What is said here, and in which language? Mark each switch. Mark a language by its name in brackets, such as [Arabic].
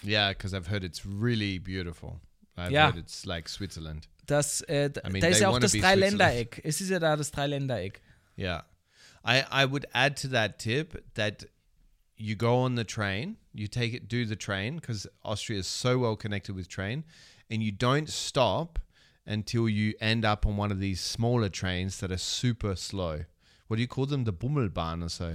[English] Yeah, because I've heard it's really beautiful. I've heard it's like Switzerland. [German] Das, [English] I mean, [German] da ist ja auch das Dreiländereck. Es ist ja da das Dreiländereck. [English] Yeah. I would add to that tip that you go on the train, you take it, do the train, because Austria is so well connected with train, and you don't stop until you end up on one of these smaller trains that are super slow. What do you call them? The Bummelbahn or so?